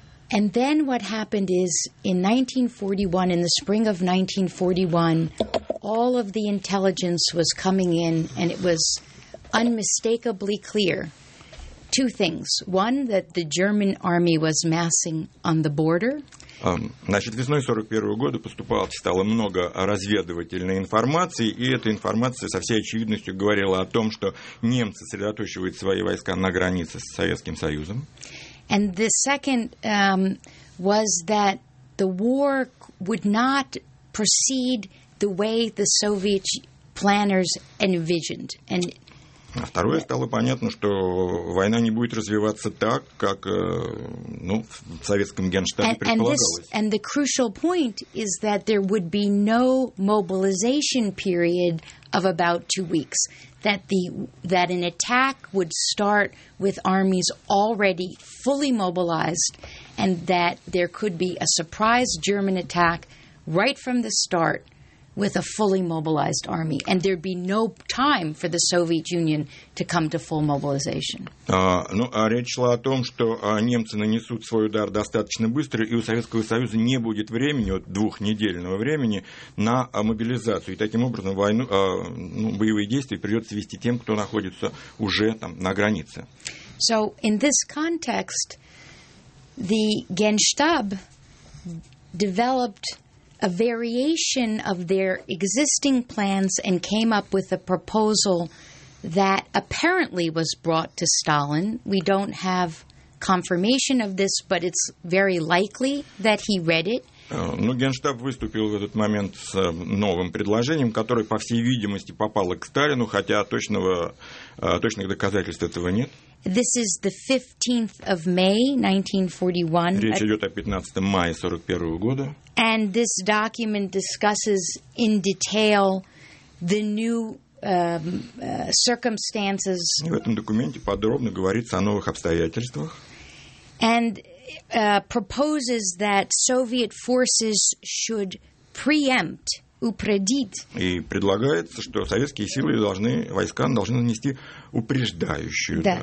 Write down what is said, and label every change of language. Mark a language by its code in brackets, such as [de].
[en] And then what happened is, in 1941, in the spring of 1941, all of the intelligence was coming in, and it was unmistakably clear. Two things. One, that the German army was massing on the border. [ru] Значит, весной 41-го года поступало, стало много разведывательной информации, и эта информация со всей очевидностью говорила о том, что немцы сосредоточивают свои войска на границе с Советским Союзом. [en] And the second was that the war would not proceed the way the Soviet planners envisioned. And [ru] а второе, стало понятно, что война не будет развиваться так, как, ну, в советском генштабе предполагалось. [en] And the crucial point is that there would be no mobilization period of about 2 weeks. That an attack would start with armies already fully mobilized, and that there could be a surprise German attack right from the start with a fully mobilized army, and there'd be no time for the Soviet Union to come to full mobilization. [ru] Ну, а речь шла о том, что немцы нанесут свой удар достаточно быстро, и у Советского Союза не будет времени, вот двухнедельного времени, на мобилизацию. И таким образом войну, боевые действия придется вести тем, кто находится уже там на границе. [en] So, in this context, the Генштаб developed a variation of their existing plans and came up with a proposal that apparently was brought to Stalin. We don't have confirmation of this, but it's very likely that he read it. [ru] Ну, Генштаб выступил в этот момент с новым предложением, которое, по всей видимости, попало к Сталину, хотя точных доказательств этого нет. [en] This is the 15th of May, 1941. [ru] Речь идет о 15 мая 41 года. [en] And this document discusses in detail the new circumstances. [ru] И в этом документе подробно говорится о новых обстоятельствах. [en] And proposes that Soviet forces should preempt, упредить. [ru] И предлагается, что советские силы должны, войска должны нанести упреждающий удар.